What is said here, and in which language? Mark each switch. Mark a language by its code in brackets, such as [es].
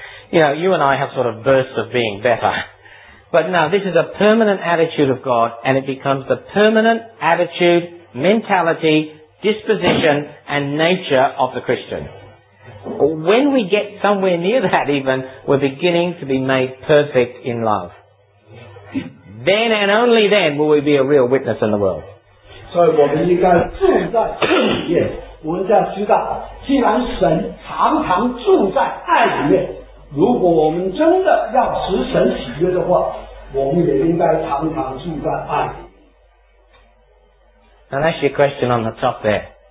[en] You know, you and I have sort of bursts of being better. But now this is a permanent attitude of God, and it becomes the permanent attitude, mentality, disposition, and nature of the Christian. When we get somewhere near that even, we're beginning to be made perfect in love. Then and only then will we be a real witness in the world. [zh] So 我们应该住在主里面,我们就要知道，既然神常常住在爱里面，如果我们真的要使神喜悦的话，我们也应该常常住在爱里。 [en] Now that's your question on the top there.